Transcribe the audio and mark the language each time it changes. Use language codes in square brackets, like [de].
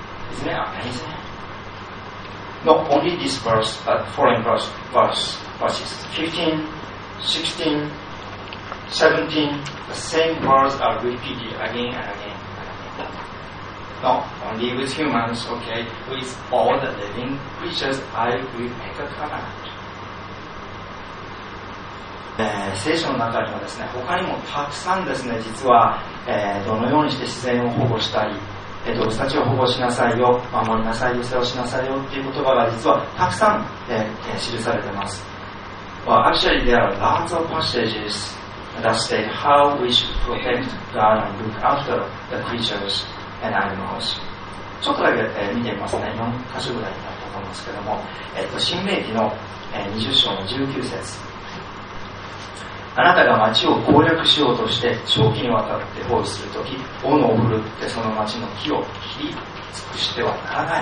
[en] Isn't it amazing? Not only this verse, but following verses 15, 16, 17, the same words are repeated again and again. Not only with humans, okay, with all the living creatures, I will make a covenant. [ja] 聖書の中にはですね、他にもたくさんですね、実は、どのようにして自然を保護したり、動物たちを保護しなさいよ、守りなさいよ、世話しなさいよっていう言葉が実はたくさん、記されています。 [en] Well, actually there are lots of passages that state how we should protect God and look after the creatures and animals. [ja] ちょっとだけ、見てみますね。4箇所ぐらいになったと思うんですけども、新命記の、20章の19節、あなたが町を攻略しようとして長期にわたって放置するとき、斧を振るってその町の木を切り尽くしてはならない。